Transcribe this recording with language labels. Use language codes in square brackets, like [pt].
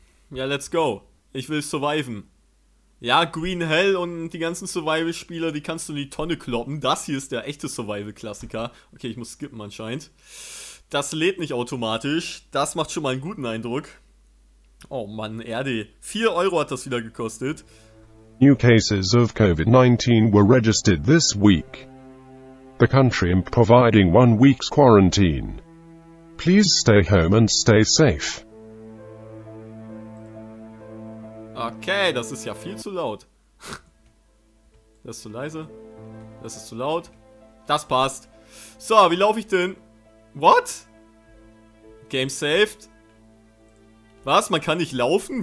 [de] Ja, [en] let's go. [de] Ich will surviven. Ja, Green Hell und die ganzen Survival-Spieler, die kannst du in die Tonne kloppen. Das hier ist der echte Survival-Klassiker. Okay, ich muss skippen anscheinend. Das lädt nicht automatisch. Das macht schon mal einen guten Eindruck. Oh Mann, Erde. 4 Euro hat das wieder gekostet. [en] New cases of COVID-19 were registered this week. The country is providing 1 week's quarantine. Please stay home and stay safe. [de] Okay, das ist ja viel zu laut. Das ist zu leise. Das ist zu laut. Das passt. So, wie laufe ich denn? [en] What? Game saved? [de] Was? Man kann nicht laufen?